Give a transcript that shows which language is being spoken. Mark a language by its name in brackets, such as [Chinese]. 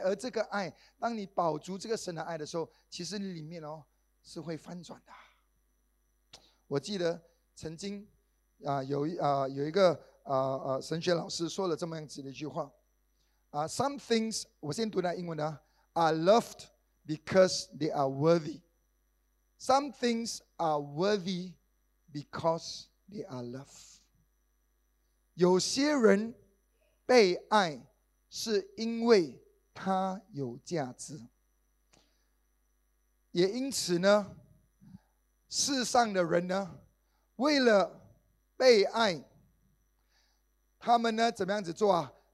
[Chinese] 而这个爱当你饱足这个神的爱的时候，其实里面哦是会翻转的。我记得曾经有一个神学老师说了这么样子的一句话 [English] some things [Chinese] 我先读那英文的 [English] are lovedBecause they are worthy. Some things are worthy because they are loved. [Chinese] 有些人被爱是因为他有价值。也因此呢，世上的人呢，为了被爱，他们呢，怎么样子做啊？